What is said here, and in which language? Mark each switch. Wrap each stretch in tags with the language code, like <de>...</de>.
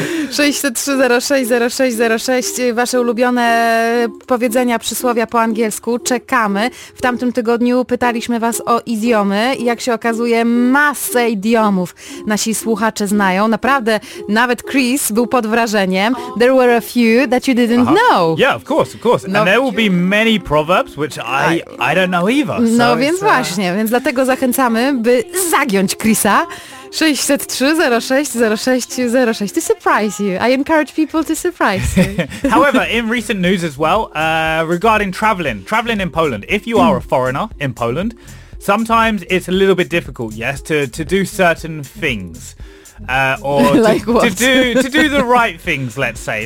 <pl>6306 wasze ulubione powiedzenia, przysłowia po angielsku. Czekamy. W tamtym tygodniu pytaliśmy was o idiomy i jak się okazuje, masę idiomów nasi słuchacze znają. Naprawdę, nawet Chris był pod wrażeniem.</pl> <en>There were a few that you didn't know. Yeah, of course. No, and there will be many proverbs, which I don't know either.</en> <pl>No so więc właśnie, więc dlatego zachęcamy, by zagiąć Chrisa.</pl> <en>603-06-06-06 to surprise you. I encourage people to surprise you. However, in recent news as well, regarding traveling in Poland, if you are a foreigner in Poland, sometimes it's a little bit difficult, yes, to do certain things. To do the right things, let's say.</en>